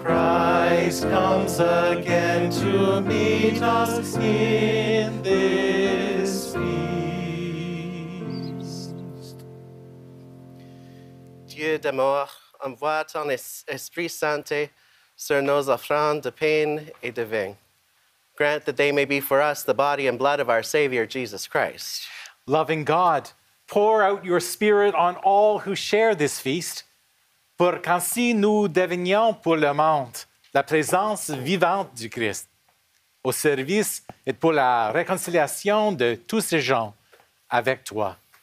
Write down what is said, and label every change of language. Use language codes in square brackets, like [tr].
[en] Christ comes again to meet us in this feast. [fr] Dieu d'amour, envoie ton Esprit Saint sur nos offrandes de pain et de vin. [en] Grant that they may be for us the body and blood of our Savior, Jesus Christ. Loving God, pour out your Spirit on all who share this feast, [fr] pour qu'ainsi nous devenions pour le monde la présence vivante du Christ, au service et pour la réconciliation de tous ces gens avec toi.